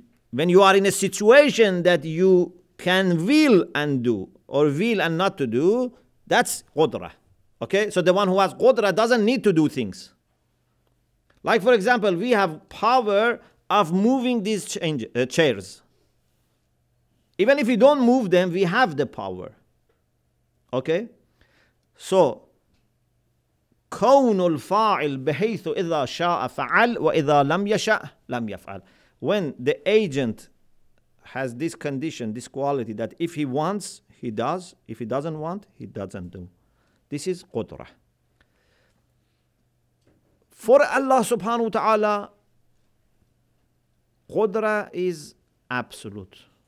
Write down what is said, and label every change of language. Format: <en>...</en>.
<en>When you are in a situation that you can will and do, or will and not to do, that's qudra. Okay? So the one who has qudra doesn't need to do things. Like, for example, we have power of moving these chairs. Even if we don't move them, we have the power. Okay?</en> <ar>So, كون الفاعل بحيث إذا شاء فعل وإذا لم يشاء لم يفعل.</ar> <en>When the agent has this condition, this quality, that if he wants, he does. If he doesn't want, he doesn't do. This is قدرة. For Allah subhanahu wa ta'ala, قدرة is absolute.</en>